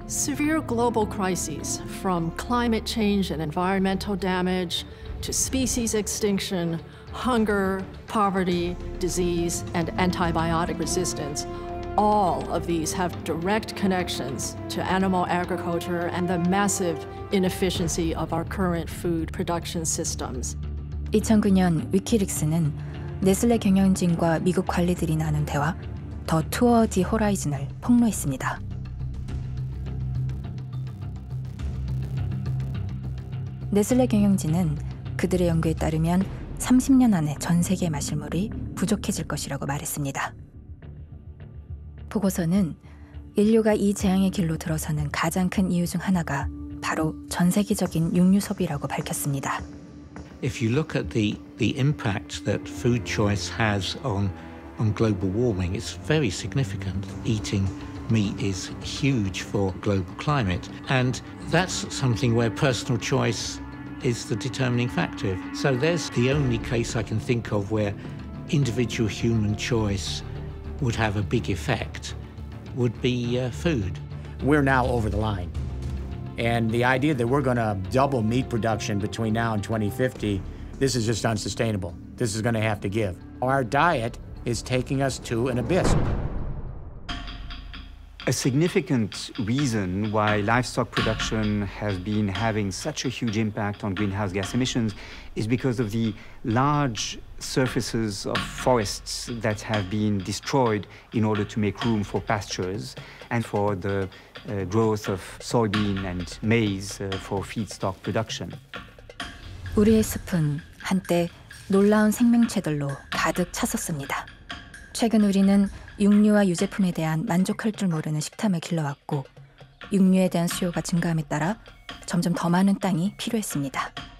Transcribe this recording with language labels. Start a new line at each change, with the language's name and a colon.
English: Severe global crises, from climate change and environmental damage to species extinction, hunger, poverty, disease, and antibiotic resistance, all of these have direct connections to animal agriculture and the massive inefficiency of our current food production systems.
Korean: 2009년 위키릭스는 네슬레 경영진과 미국 관리들이 나눈 대화 더 투어 디 호라이즌을 폭로했습니다. 네슬레 경영진은 그들의 연구에 따르면 30년 안에 전 세계 마실 물이 부족해질 것이라고 말했습니다. 보고서는 인류가 이 재앙의 길로 들어서는 가장 큰 이유 중 하나가 바로 전 세계적인 육류 소비라고 밝혔습니다.
English: If you look at the impact that food choice has on global warming, it's very significant. Eating meat is huge for global climate, and that's something where personal choice is the determining factor. So there's the only case I can think of where individual human choice would have a big effect would be food. We're now over the line. And the idea that we're going to double meat production between now and 2050, this is just unsustainable. This is going to have to give. Our diet is taking us to an abyss. A significant reason why livestock production has been having such a huge impact on greenhouse gas emissions is because of the large surfaces of forests that have been destroyed in order to make room for pastures and for the growth of soybean and maize for feedstock production.
Korean: 우리의 숲은 한때 놀라운 생명체들로 가득 찼었습니다. 최근 우리는 육류와 유제품에 대한 만족할 줄 모르는 식탐을 길러왔고 육류에 대한 수요가 증가함에 따라 점점 더 많은 땅이 필요했습니다.